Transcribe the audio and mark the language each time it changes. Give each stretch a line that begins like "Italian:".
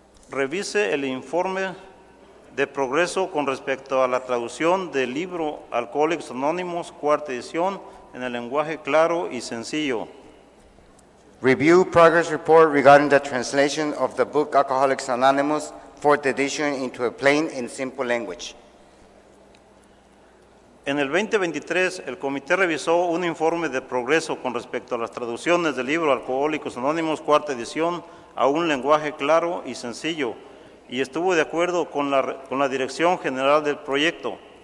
Spanish: Revise el informe de progreso con respecto a la traducción del libro Alcoholics Anonymous, cuarta edición, en el lenguaje claro y sencillo.
English: Review progress report regarding the translation of the book Alcoholics Anonymous, fourth edition, into a plain and simple language.
Spanish: En el 2023, el comité revisó un informe de progreso con respecto a las traducciones del libro Alcohólicos Anónimos, cuarta edición, a un lenguaje claro y sencillo, y estuvo de acuerdo con la dirección general del proyecto.